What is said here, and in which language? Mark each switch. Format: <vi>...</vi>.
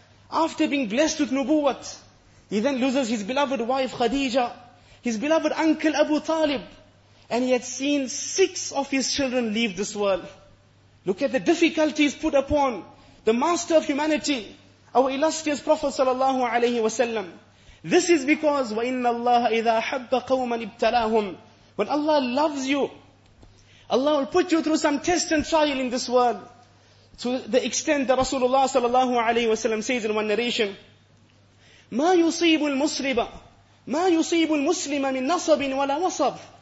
<en>After being blessed with Nubuwat, he then loses his beloved wife Khadija, his beloved uncle Abu Talib, and he had seen 6 of his children leave this world. Look at the difficulties put upon the master of humanity, our illustrious Prophet sallallahu alayhi wa sallam.</en> <ar>This is because, وَإِنَّ اللَّهَ إِذَا حَبَّ قَوْمًا ابْتَلَاهُمْ.</ar> <en>When Allah loves you, Allah will put you through some test and trial in this world. To the extent that Rasulullah sallallahu alayhi wa sallam says in one narration, مَا يُصِيبُ الْمُسْلِمَ مِن نَصَبٍ وَلَا وَصَبٍ.</en>